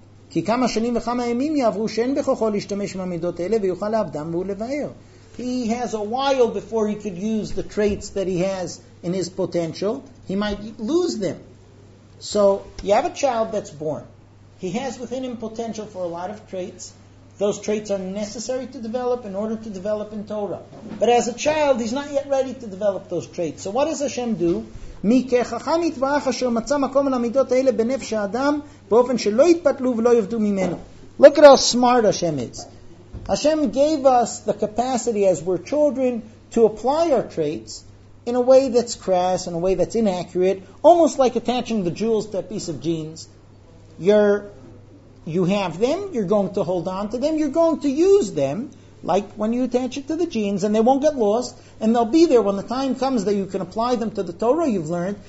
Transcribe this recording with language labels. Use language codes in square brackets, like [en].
[he] כי כמה שנים וכמה ימים יעברו שאין בכוחו להשתמש במידות האלה ויוכל לעבדם ולבאר. [en] He has a while before he could use the traits that he has in his potential. He might lose them. So you have a child that's born. He has within him potential for a lot of traits. Those traits are necessary to develop in order to develop in Torah. But as a child, he's not yet ready to develop those traits. So what does Hashem do? [he] מי כחכם יתברך אשר מצא מקום על המידות האלה בנפש האדם באופן שלא יתפתלו ולא יבדו ממנו. [en] Look at how smart Hashem is. Hashem gave us the capacity as we're children to apply our traits in a way that's crass, in a way that's inaccurate, almost like attaching the jewels to a piece of jeans. You have them, you're going to hold on to them, you're going to use them, like when you attach it to the jeans, and they won't get lost, and they'll be there when the time comes that you can apply them to the Torah you've learned.